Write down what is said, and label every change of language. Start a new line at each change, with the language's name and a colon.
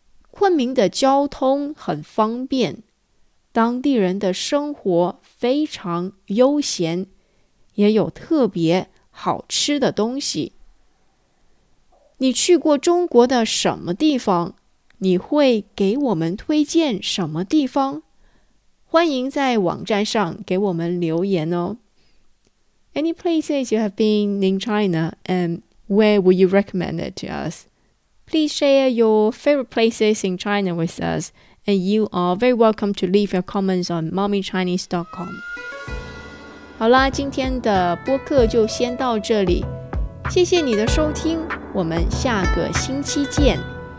Chinese: 昆明的交通很方便，当地人的生活非常悠闲，也有特别好吃的东西。你去过中国的什么地方？你会给我们推荐什么地方？欢迎在网站上给我们留言哦。
English: Any places you have been in China and where would you recommend it to us? Please share your favorite places in China with us, and you are very welcome to leave your comments on mommychinese.com。
Chinese: 好啦，今天的播客就先到这里，谢谢你的收听，我们下个星期见。